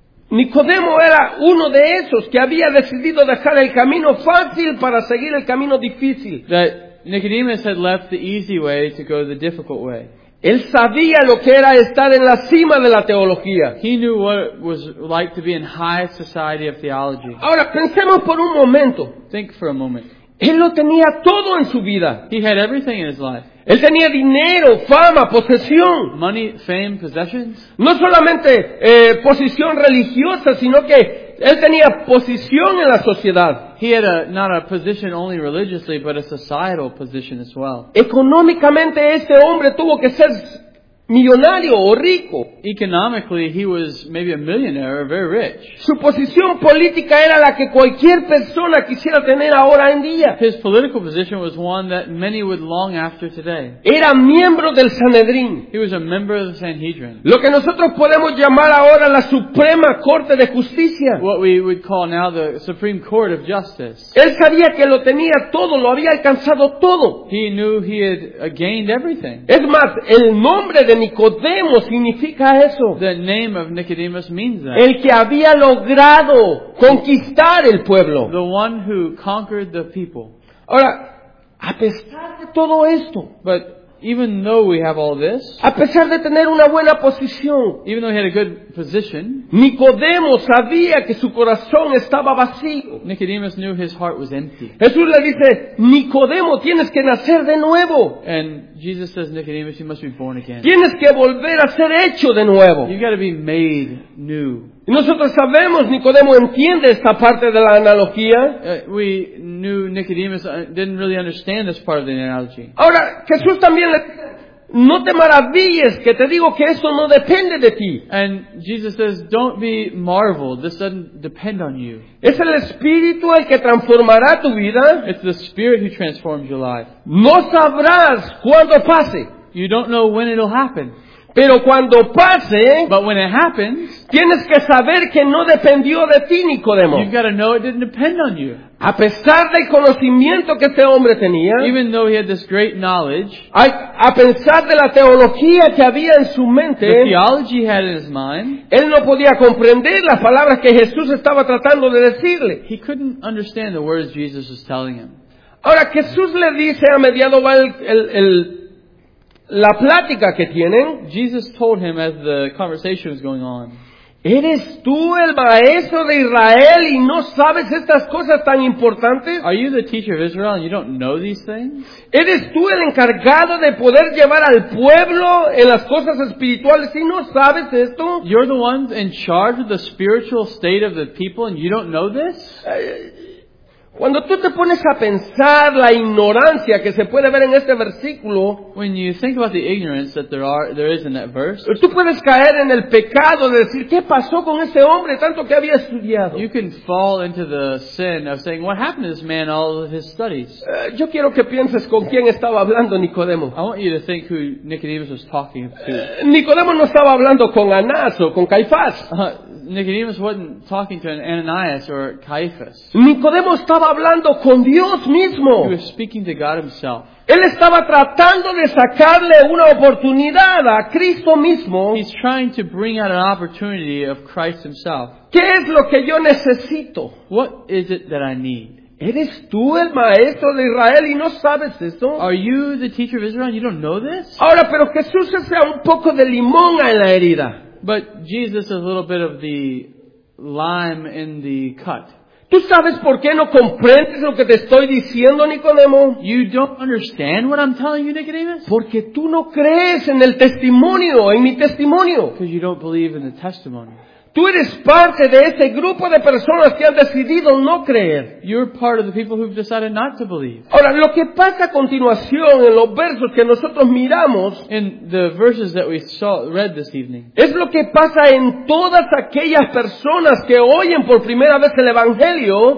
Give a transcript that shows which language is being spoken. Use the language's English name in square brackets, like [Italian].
[Spanish] Nicodemo era uno de esos que había decidido dejar el camino fácil para seguir el camino difícil. [English] That Nicodemus had left the easy way to go the difficult way. [Spanish] Él sabía lo que era estar en la cima de la teología. [English] He knew what it was like to be in high society of theology. [Spanish] Ahora, pensemos por un momento. [English] Think for a moment. [Spanish] Él lo tenía todo en su vida. [English] He had everything in his life. [Spanish] Él tenía dinero, fama, posesión. [English] Money, fame, possessions. [Spanish] No solamente posición religiosa, sino que él tenía posición en la sociedad. [English] He had not a position only religiously, but a societal position as well. [Spanish] Económicamente, este hombre tuvo que ser millonario o rico. [English] Economically, he was maybe a millionaire or very rich. [Spanish] Su posición política era la que cualquier persona quisiera tener ahora en día. [English] His political position was one that many would long after today. [Spanish] Era miembro del Sanedrín. [English] He was a member of the Sanhedrin. [Spanish] Lo que nosotros podemos llamar ahora la Suprema Corte de Justicia. [English] What we would call now the Supreme Court of Justice. [Spanish] Él sabía que lo tenía todo, lo había alcanzado todo. [English] He knew he had gained everything. [Spanish] Es más, el nombre de Nicodemo significa eso. [English] The name of Nicodemus means that. [Spanish] El que había logrado conquistar el pueblo. [English] The one who conquered the people. [Spanish] Ahora, a pesar de todo esto, [English] but even though we have all this, [Spanish] a pesar de tener una buena posición, [English] even though he had a good position, [Spanish] Nicodemo sabía que su corazón estaba vacío. [English] Nicodemus knew his heart was empty. [Spanish] Jesús le dice, Nicodemo, tienes que nacer de nuevo. [English] And Jesus says, Nicodemus, you must be born again. [Spanish] Tienes que volver a ser hecho de nuevo. [English] You've got to be made new. [Spanish] Y nosotros sabemos, Nicodemo entiende esta parte de la analogía. [English] We knew Nicodemus didn't really understand this part of the analogy. [Spanish] Ahora, Jesús también le... No te maravilles que te digo que esto no depende de ti. [English] And Jesus says, don't be marveled. This doesn't depend on you. [Spanish] Es el Espíritu el que transformará tu vida. [English] It's the Spirit who transforms your life. [Spanish] No sabrás cuándo pase. [English] You don't know when it'll happen. [Spanish] Pero cuando pase, [English] but when it happens, [Spanish] tienes que saber que no dependió de ti, Nicodemo. [English] You've got to know it didn't depend on you. [Spanish] A pesar del conocimiento que este hombre tenía, [English] even though he had this great knowledge, [Spanish] a pesar de la teología que había en su mente, [English] the theology he had in his mind, [Spanish] él no podía comprender las palabras que Jesús estaba tratando de decirle. [English] He couldn't understand the words Jesus was telling him. [Spanish] Ahora, Jesús le dice a mediado va el la plática que tienen. [English] Jesus told him as the conversation was going on. [Spanish] ¿Eres tú el maestro de Israel y no sabes estas cosas tan importantes? [English] Are you the teacher of Israel and you don't know these things? [Spanish] ¿Eres tú el encargado de poder llevar al pueblo en las cosas espirituales y no sabes esto? [English] You're the ones in charge of the spiritual state of the people and you don't know this? [Spanish] Cuando tú te pones a pensar la ignorancia que se puede ver en este versículo, [English] when you think about the ignorance that there is in that verse, [Spanish] tú puedes caer en el pecado de decir, ¿qué pasó con ese hombre tanto que había estudiado? [English] You can fall into the sin of saying, what happened to this man, all of his studies? [Spanish] Yo quiero que pienses con quién estaba hablando Nicodemo. [English] I want you to think who Nicodemus was talking to. [Spanish] Nicodemo no estaba hablando con Anás o con Caifás. [English] Nicodemus wasn't talking to an Ananias or Caiaphas. [Spanish] Nicodemo estaba hablando con Dios mismo. [English] He was speaking to God himself. [Spanish] Él estaba tratando de sacarle una oportunidad a Cristo mismo. [English] He's trying to bring out an opportunity of Christ himself. [Spanish] ¿Qué es lo que yo necesito? [English] What is it that I need? [Spanish] ¿Eres tú el maestro de Israel y no sabes esto? [English] Are you the teacher of Israel and you don't know this? [Spanish] Ahora, pero Jesús echa un poco de limón en la herida. [English] But Jesus is a little bit of the lime in the cut. [Spanish] ¿Tú sabes por qué no comprendes lo que te estoy diciendo, Nicodemo? [English] You don't understand what I'm telling you, Nicodemus? [Spanish] Porque tú no crees en el testimonio, en mi testimonio. [English] Because you don't believe in the testimony. [Spanish] Tú eres parte de ese grupo de personas que han decidido no creer. [English] You're part of the people who've decided not to believe. [Spanish] Ahora, lo que pasa a continuación en los versos que nosotros miramos, [English] in the verses that we saw, read this evening, [Spanish] es lo que pasa en todas aquellas personas que oyen por primera vez el Evangelio.